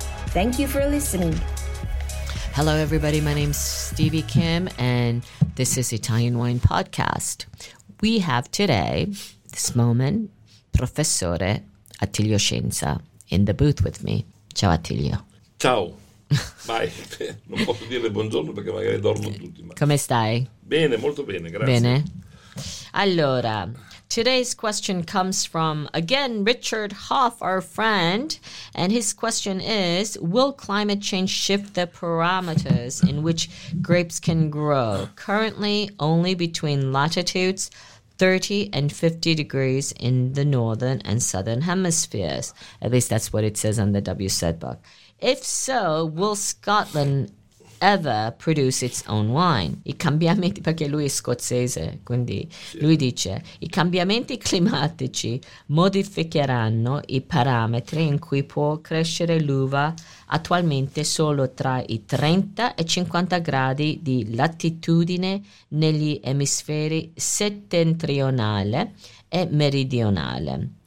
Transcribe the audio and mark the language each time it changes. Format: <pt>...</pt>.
<en>Thank you for listening. Hello, everybody. My name's Stevie Kim, and this is Italian Wine Podcast. We have today, this moment, Professore Attilio Scienza in the booth with me.</en> <it>Ciao, Attilio. Ciao. Vai. Non posso dire buongiorno perché magari dormo tutti. Ma... Come stai? Bene, molto bene, grazie. Bene.</it> <en>Allora, today's question comes from, again, Richard Hough, our friend. And his question is, will climate change shift the parameters in which grapes can grow? Currently, only between latitudes 30 and 50 degrees in the northern and southern hemispheres. At least that's what it says on the WSET book. If so, will Scotland ever produce its own wine?</en> <it>I cambiamenti, perché lui è scozzese, quindi lui dice, i cambiamenti climatici modificheranno i parametri in cui può crescere l'uva attualmente solo tra i 30 e 50 gradi di latitudine negli emisferi settentrionale e meridionale.</it>